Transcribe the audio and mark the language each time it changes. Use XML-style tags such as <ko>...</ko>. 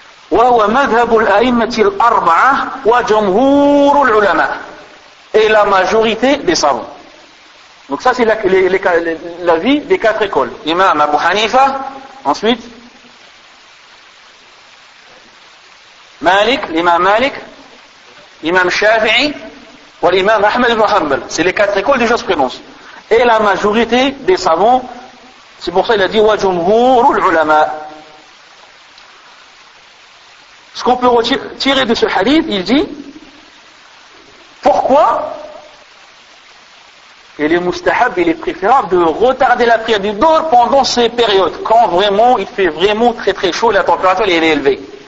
<ar>وهو مذهب الأئمة الأربعة وجمهور العلماء.</ar> <fr>Et la majorité des savants. Donc ça c'est l'avis des quatre écoles. Imam Abu Hanifa, ensuite</fr> <ar>مالك، الإمام مالك، الإمام الشافعي والإمام أحمد بن حنبل.</ar> <fr>C'est les quatre écoles de jurisprudence. Et la majorité des savants, c'est pour ça qu'il a dit</fr> <ar>وجمهور العلماء.</ar> <fr>Ce qu'on peut retirer de ce hadith, il dit pourquoi il est mustahab, il est préférable de retarder la prière du dhuhr pendant ces périodes, quand vraiment il fait vraiment très très chaud et la température est élevée.</fr>